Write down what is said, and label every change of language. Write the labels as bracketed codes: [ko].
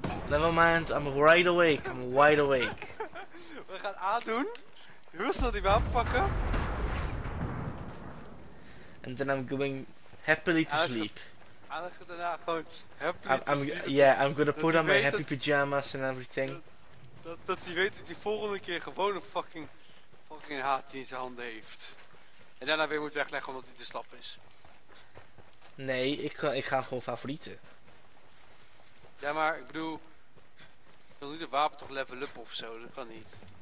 [en] Never mind, I'm right awake, I'm wide awake. [nl] We gaan A doen, heel snel die wapen pakken. [en] And then I'm going happily to sleep. [nl] Alex gaat daarna gewoon [en] happily to sleep. Yeah, I'm gonna put on my happy pyjamas and everything. [nl] Dat hij weet dat hij volgende keer gewoon een fucking HT in zijn handen heeft. En daarna weer moet wegleggen omdat hij te slap is. Nee, ik ga gewoon favorieten. Ja, maar ik bedoel, ik wil niet de wapen toch level up of zo, dat kan niet.